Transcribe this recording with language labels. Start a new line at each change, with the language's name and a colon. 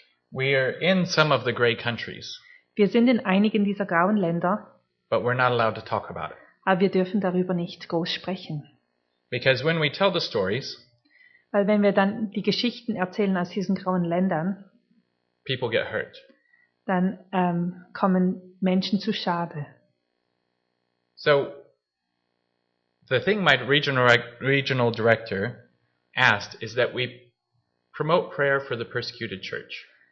English: We are in some of the gray countries.
German: Wir sind in einigen dieser grauen Länder.
English: But we're not allowed to talk about it.
German: Aber wir dürfen darüber nicht groß sprechen.
English: Because when we tell the stories,
German: weil wenn wir dann die Geschichten erzählen aus diesen grauen Ländern,
English: people get hurt.
German: Dann kommen Menschen zu Schade.
English: So, the thing my regional director asked is that we promote prayer for the persecuted church.